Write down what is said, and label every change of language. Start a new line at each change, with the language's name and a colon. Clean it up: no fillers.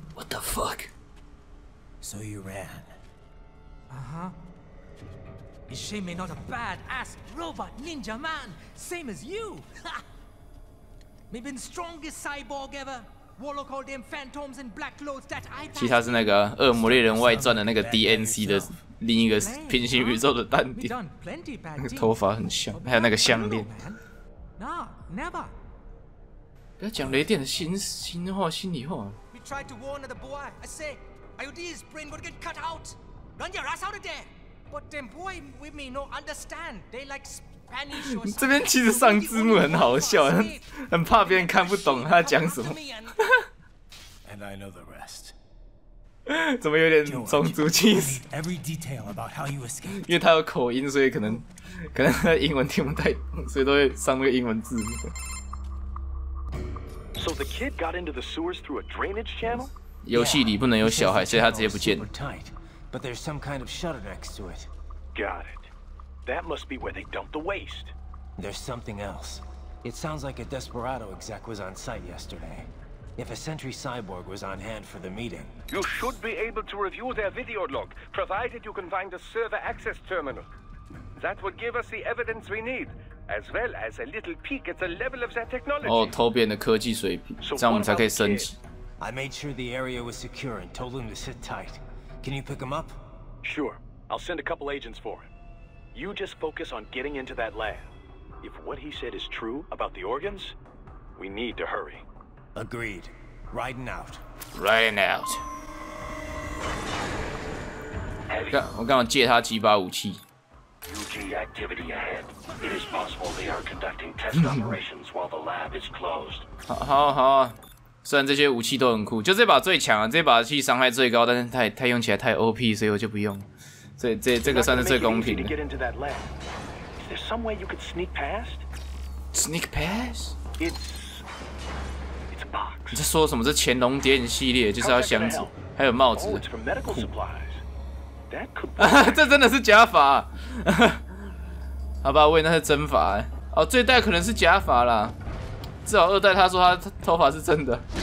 English: What the fuck? So you ran. Uh-huh. It's shame me not a badass robot ninja man, same as you. Ha! Me been strongest cyborg ever. Warlock all them phantoms and black lords that I.
Chinese: 其他是那个《恶魔猎人外传》的那个 DNC 的另一个平行宇宙的丹丁。那个头发很像，还有那个项链。
English: No, never.
Chinese: 要讲雷电的心话、心里话。
English: We tried to warn the boy. I say, Ayudi's brain would get cut out. Run your ass out of there. But them boy we may not understand. They like Spanish.
Chinese: 这边其实上字幕很好笑，很怕别人看不懂他讲什么。
English: And I know the rest.
Chinese: 怎么有点种族歧视？
English: Every detail about how you escaped.
Chinese: 因为他有口音，所以可能他英文听不太懂，所以都会上那个英文字幕。
English: So the kid got into the sewers through a drainage channel.
Chinese: 游戏里不能有小孩，所以他直接不见了。
English: Tight, but there's some kind of shutter next to it. Got it. That must be where they dumped the waste. There's something else. It sounds like a desperado exec was on site yesterday. If a sentry cyborg was on hand for the meeting, you should be able to review their video log, provided you can find a server access terminal. That would give us the evidence we need, as well as a little peek at the level of their technology.
Chinese: Oh, 偷别人的科技水平，这样我们才可以升级。
English: I made sure the area was secure and told him to sit tight. Can you pick him up? Sure, I'll send a couple agents for him. You just focus on getting into that lab. If what he said is true about the organs, we need to hurry. Agreed. Riding out. Riding out.
Chinese: 我刚好借他几把武器。
English: UG activity ahead. It is possible they are conducting test operations while the lab is closed.
Chinese: 好啊。虽然这些武器都很酷，就这把最强啊，这把器伤害最高，但是太用起来太 OP， 所以我就不用。所以这个算是最公平的。
English: Get into that lab. Is there some way you could sneak past? Sneak past? It's box.
Chinese: 你在说什么？这潜龙谍影系列就是要箱子，还有帽子。酷。这真的是假发、啊。好吧，喂，那是真发、欸。哦，这一代可能是假发啦。至少二代他说他头发是真的。